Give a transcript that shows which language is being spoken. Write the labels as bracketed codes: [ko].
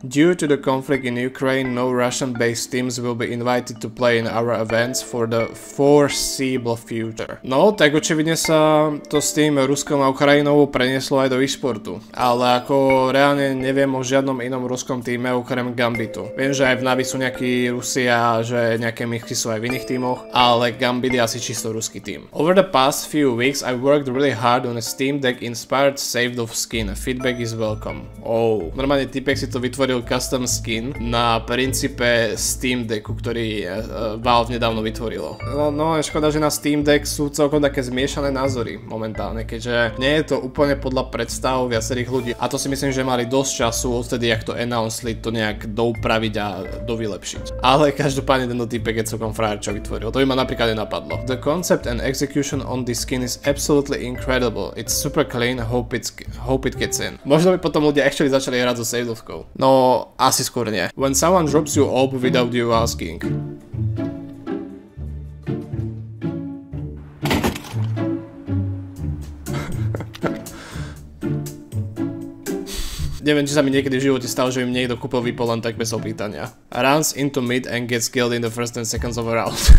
[en] Due to the conflict in Ukraine, no Russian-based teams will be invited to play in our events for the foreseeable future. [sk] No, tak očividne sa to s tým Ruskom a Ukrajinou prenieslo aj do e-sportu. Ale ako reálne neviem o žiadnom inom ruskom týme okrem Gambitu. Viem, že aj v Navi sú nejakí Rusi a že nejaké mixy sú aj v iných týmoch, ale Gambit je asi čisto ruský tým. [en] Over the past few weeks, I worked really hard on a Steam Deck inspired Saved of Skin. Feedback is welcome. Oh. [sk] Normálne typek si to vytvoril custom skin na princípe Steam Decku, ktorý Valve nedávno vytvorilo. No, škoda, že na Steam Deck sú celkom také zmiešané názory momentálne, keďže nie je to úplne podľa predstav viacerých ľudí. A to si myslím, že mali dosť času odtedy, jak to announcli, to nejak doupraviť a dovylepšiť. Ale každopádne tento typek je celkom frajer, čo vytvoril. To by ma napríklad nenapadlo. [en] The concept and execution on this skin is absolutely incredible. It's super clean, hope it gets in. [sk] Možno by potom ľudia actually začali hrať so savedovkou. No, asi skôr nie. [en] When someone drops you orb without you asking. [sk] Neviem, či sa mi niekedy v živote stalo, že im niekto kúpil vipol len tak bez opýtania. [en] Runs into mid and gets killed in the first 10 seconds of a round.